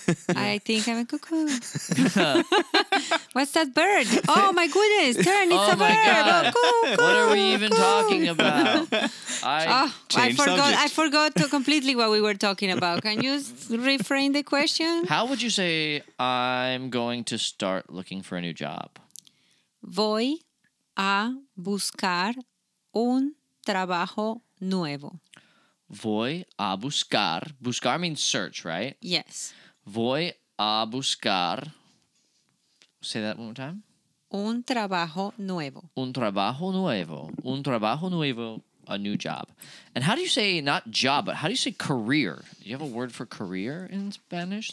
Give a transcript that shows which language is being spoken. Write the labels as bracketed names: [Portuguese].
[English] Yeah. I think I'm a cuckoo. What's that bird? Oh, my goodness. Turn, it's oh a bird. God. Oh, cuckoo. What are we even cuckoo. Talking about? I forgot completely what we were talking about. Can you reframe the question? How would you say, I'm going to start looking for a new job? [Spanish] Voy a buscar un trabajo nuevo. Voy a buscar. [English] Buscar means search, right? Yes. [Spanish] Voy a buscar. [English] Say that one more time. [Spanish] Un trabajo nuevo. Un trabajo nuevo. Un trabajo nuevo. [English] A new job. And how do you say, not job, but how do you say career? Do you have a word for career in Spanish?